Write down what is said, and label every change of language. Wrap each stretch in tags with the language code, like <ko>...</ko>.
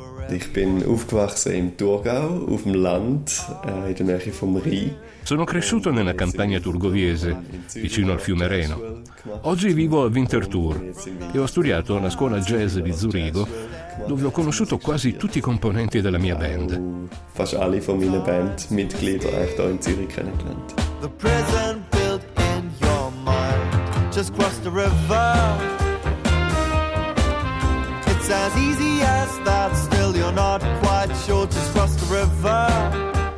<de>Ich bin aufgewachsen im Thurgau, auf dem Land, in der Nähe vom Rhein.</de> <it>Sono cresciuto nella campagna turgoviese, vicino al fiume Reno. Oggi vivo a Winterthur e ho studiato alla scuola jazz di Zurigo, dove ho conosciuto quasi tutti i componenti della mia band.</it> <de>Fast alle von meiner Band Mitglieder echt da in Zürich kennengelernt.</de> <en>The prison built in your mind, just cross the river. It's as easy as that, still you're not quite sure, just cross the river.</en>